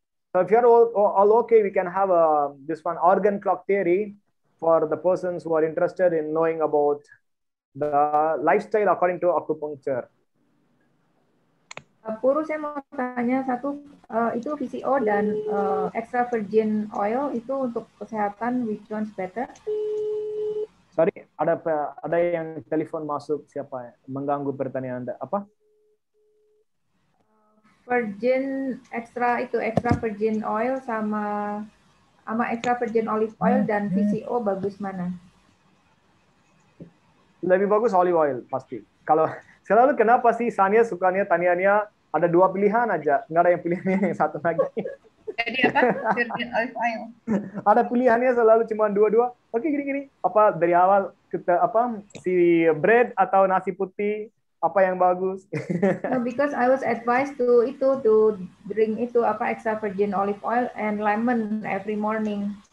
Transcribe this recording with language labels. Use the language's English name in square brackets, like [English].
[English] So if you're all okay, we can have this one organ clock theory for the persons who are interested in knowing about the lifestyle according to acupuncture. [Indonesian] Puru, saya mau tanya satu, itu VCO dan extra virgin oil itu untuk kesehatan, [English] which one's better? [Indonesian] Sorry, ada yang telepon masuk, siapa mengganggu pertanyaan Anda, apa? Virgin extra, itu extra virgin oil sama extra virgin olive oil dan VCO bagus mana? Lebih bagus olive oil pasti. Kalau selalu kenapa sih Sania sukanya tanyanya ada dua pilihan aja, nggak ada yang pilihannya yang satu lagi. Jadi apa? Virgin olive oil. Ada pilihannya selalu cuma dua-dua. Oke, gini-gini. Apa dari awal kita apa si bread atau nasi putih apa yang bagus? [English] No, because I was advised to itu to drink [Indonesian] itu apa [English] extra virgin olive oil and lemon every morning.